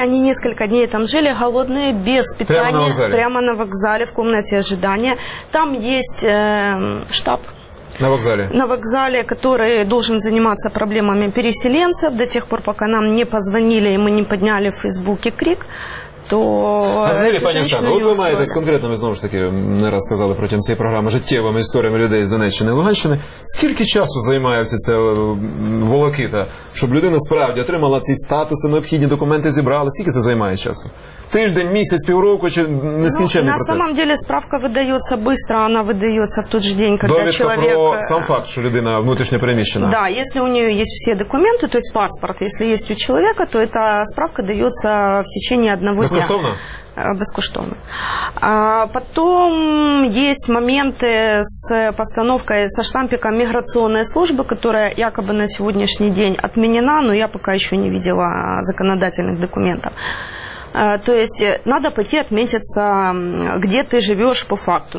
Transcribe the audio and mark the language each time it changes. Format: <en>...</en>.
<ru>Они несколько дней там жили, голодные, без питания. Прямо на вокзале? Прямо на вокзале, в комнате ожидания. Там есть штаб. На вокзале? На вокзале, который должен заниматься проблемами переселенцев. До тех пор, пока нам не позвонили и мы не подняли в Фейсбуке крик, то...</ru> <uk>А взагалі, пані Оксано, от ви маєтесь конкретно, ми знову ж таки не раз казали протягом цієї програми, життєвими історіями людей з Донеччини і Луганщини. Скільки часу займається ця волокита, щоб людина справді отримала ці статуси, необхідні документи зібрали? Скільки це займає часу? Тиждень, місяць, півроку чи нескінченний процес?</uk> <ru>На самом деле справка</ru> <uk>видається швидко, вона видається в той же день, коли довідка</uk> <ru>человек...</ru> <uk>Довідка про сам факт, що людина внутрішньо переміщена.</uk> <ru>Да,</ru> <uk>якщо у неї є всі документи,</uk> <ru>то есть паспорт,</ru> <uk>якщо є у</uk> <ru>человека, то эта справка</ru> <uk>дається</uk> <ru>в течение одного дня.</ru> <uk>Безкоштовно? Безкоштовно.</uk> <ru>А потом есть моменты с постановкой, со штампиком миграционной службы, которая якобы на сегодняшний день отменена, но я пока еще не видела законодательных документов. То есть надо пойти отметиться, где ты живешь по факту.</ru>